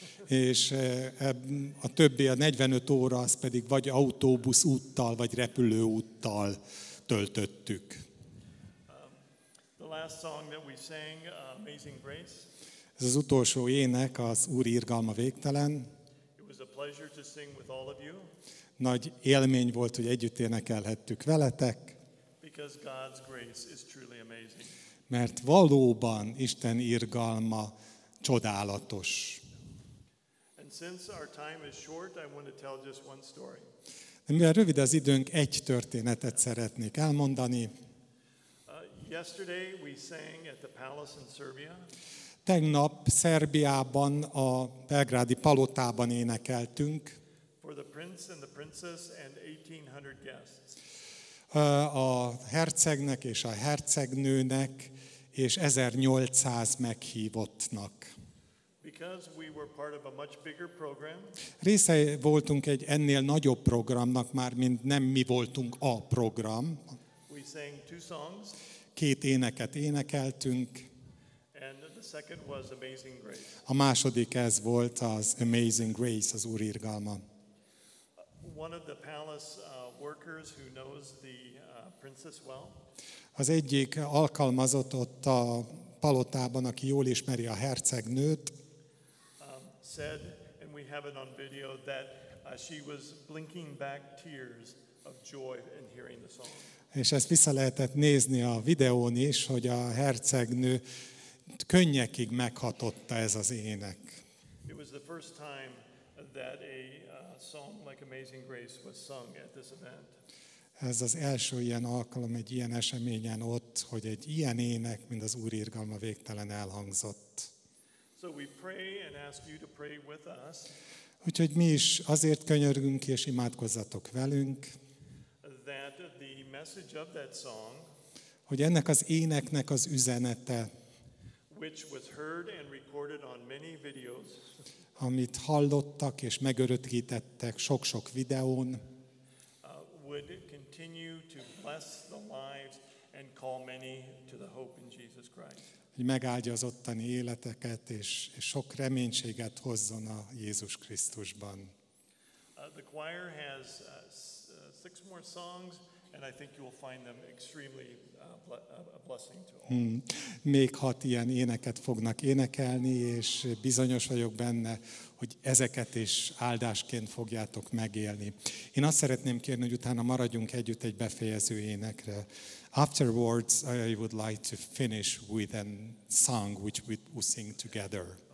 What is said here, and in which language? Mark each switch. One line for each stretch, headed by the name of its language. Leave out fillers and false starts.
Hungarian: És a többi, a 45 óra, az pedig vagy autóbusz úttal, vagy repülő úttal töltöttük.
English: Last song that we sang, Amazing Grace.
Hungarian: Ez az utolsó ének, az Úr irgalma végtelen.
English: It was a pleasure to sing with all of you.
Hungarian: Nagy élmény volt, hogy együtt énekelhettük veletek.
English: Because God's grace is truly amazing.
Hungarian: Mert valóban Isten irgalma csodálatos.
English: And since our time is short, I want to tell just one story.
Hungarian: Mivel rövid az időnk, egy történetet szeretnék elmondani.
English: Yesterday we sang at the palace in Serbia.
Hungarian: Tegnap Szerbiában a belgrádi palotában énekeltünk.
English: For the prince and the princess and 1800 guests.
Hungarian: A hercegnek és a hercegnőnek és 1800 meghívottnak.
English: Because we were part of a much bigger program.
Hungarian: Része voltunk egy ennél nagyobb programnak, már mint nem mi voltunk a program.
English: We sang two songs.
Hungarian: Két éneket énekeltünk.
English: And the second was Amazing Grace.
Hungarian: A második ez volt az Amazing Grace, az Úr irgalma.
English: One of the palace workers who knows the princess well.
Hungarian: Az egyik alkalmazott ott a palotában, aki jól ismeri a hercegnőt.
English: Said, and we have it on video, that she was blinking back tears of joy in hearing the song.
Hungarian: És ezt vissza lehetett nézni a videón is, hogy a hercegnő könnyekig meghatotta ez az ének.
English: It was the first time that a song like Amazing Grace was sung at this event.
Hungarian: Ez az első ilyen alkalom egy ilyen eseményen ott, hogy egy ilyen ének, mint az Úr irgalma végtelen elhangzott.
English: So we pray and ask you to pray with us.
Hungarian: Úgyhogy mi is azért könyörgünk és imádkozzatok velünk,
English: that the message of that song,
Hungarian: hogy ennek az éneknek az üzenete,
English: which was heard and recorded on many videos,
Hungarian: amit hallottak és megörökítettek sok-sok videón,
English: would continue to bless the lives and call many to the hope in Jesus Christ.
Hungarian: Hogy megáldja az ottani életeket és sok reménységet hozzon a Jézus Krisztusban.
English: The choir has six more songs, and I think you will find them extremely a blessing to all.
Hungarian: Még hat ilyen éneket fognak énekelni, és bizonyos vagyok benne, hogy ezeket is áldásként fogjátok megélni. Én azt szeretném kérni, hogy utána maradjunk együtt egy befejező énekre.
English: Afterwards, I would like to finish with a song which we will sing together.